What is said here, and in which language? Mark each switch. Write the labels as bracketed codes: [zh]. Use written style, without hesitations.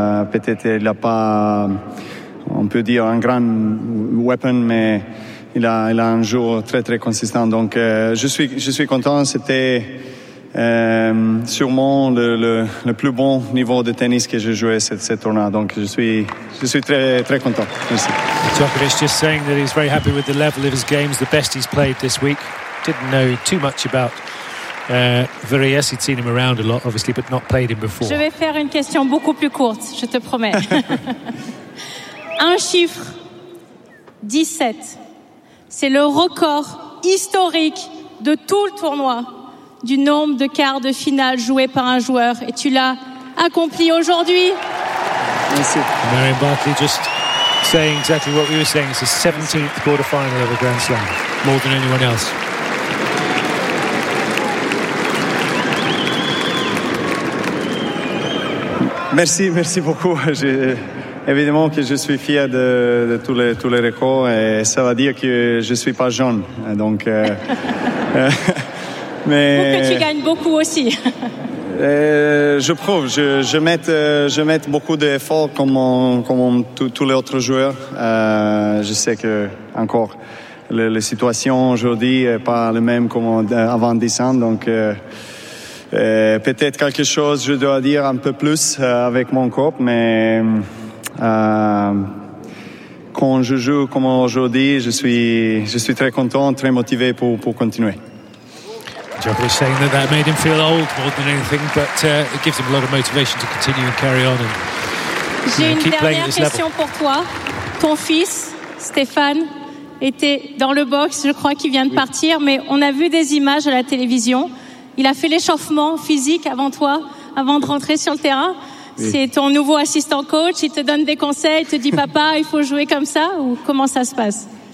[fr] Peut-être il a pas, on peut dire, un grand weapon, mais il a un jour très très consistant. Donc je suis content. C'était sûrement le plus bon niveau de tennis que j'ai joué cette tournée. Donc je suis très très content. Merci. [en] Djokovic just saying that he's very happy with the level of his games, the best he's played this week. Didn't know too much about Varillas. He'd seen him around a lot, obviously, but not played him before. [fr] Je vais faire une question beaucoup plus courte, je te promets. Un chiffre, 17. C'est le record historique de tout le tournoi du nombre de quarts de finale joués par un joueur, et tu l'as accompli aujourd'hui. Merci. [en] Marion Barclay just saying exactly what we were saying. It's the 17th quarterfinal of a Grand Slam, more than anyone else. [fr] Merci, merci beaucoup. Évidemment que je suis fier de tous les records, et ça veut dire que je suis pas jeune. Donc, mais ou que tu gagnes beaucoup aussi. Je prouve, je mets beaucoup d'efforts comme tous les autres joueurs. Je sais que encore la situation aujourd'hui est pas la même comme avant 10 ans, donc peut-être quelque chose je dois dire un peu plus avec mon corps, mais quand je joue comme aujourd'hui, je suis très content, très motivé pour continuer. [en] Djokovic saying that made him feel old more than anything, but it gives him a lot of motivation to continue and carry on. And, [fr] j'ai une dernière question pour toi. Ton fils, Stéphane, était dans le box, je crois qu'il vient de partir, mais on a vu des images à la télévision. Il a fait l'échauffement physique avant toi, avant de rentrer sur le terrain. Oui. C'est ton nouveau assistant coach, il te donne des conseils, il te dit « Papa, il faut jouer comme ça » ou comment ça se passe?